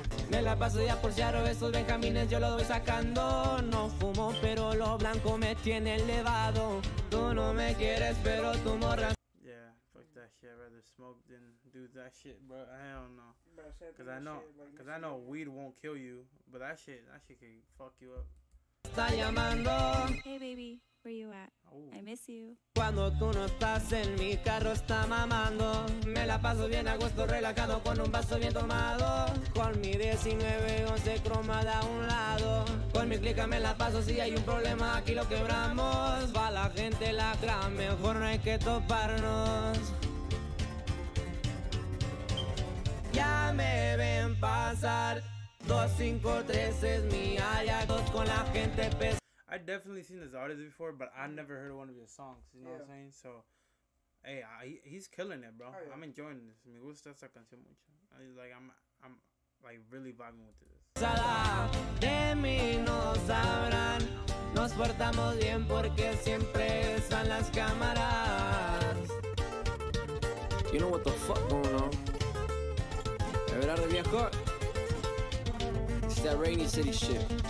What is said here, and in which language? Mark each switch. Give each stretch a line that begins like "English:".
Spanish: Me la paso ya por Seattle, esos benjamines yo los voy sacando. No fumo, pero lo blanco me tiene elevado. Tú no me quieres, pero tu morra.
English: Yeah, fuck that shit, I'd rather smoke than do that shit, bro. I don't know. Cause I know weed won't kill you, but that shit can fuck you up.
Spanish: Está llamando.
English: Hey baby, where you at? Oh. I miss you.
Spanish: Cuando tú no estás en mi carro está mamando. Me la paso bien a gusto, relajado con un vaso bien tomado. Con mi 1911 cromada a un lado. Con mi clica me la paso, si hay un problema aquí lo quebramos. Va la gente lacra, mejor no hay que toparnos. Ya me ven pasar. 253 es mi área, dos con la gente pesada.
English: I've definitely seen this artist before, but I never heard one of his songs, you know what I'm saying? So, hey, he's killing it, bro. Oh, yeah. I'm enjoying this.
Spanish: Me gusta esta canción mucho.
English: Like, I'm like really vibing with this.
Spanish: De mí no sabrán, nos portamos bien porque siempre están las cámaras.
English: You know what the fuck going on?
Spanish: De verdad, viejo.
English: It's that rainy city shit.